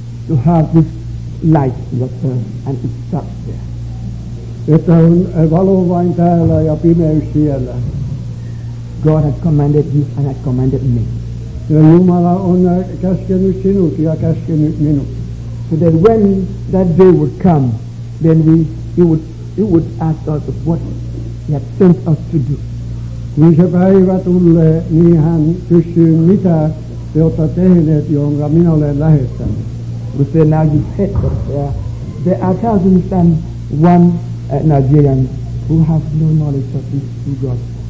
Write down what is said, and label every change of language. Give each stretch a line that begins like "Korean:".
English: to have this light in your turn, and it stops there.
Finnish: Että on valo vain täällä ja pimeys siellä.
English: God has commanded you and has commanded me.
Finnish: Ja Jumala on käskenyt sinut ja käskenyt minut.
English: So that when that day would come, then he would ask us of what he had sent us to do.
Finnish: Kun se päivä tulee, niin hän kysyy, mitä te olette tehneet, jonka minä olen lähettänyt.
English: We say now you said that there are thousands and one Nigerians who have no knowledge of these two gods.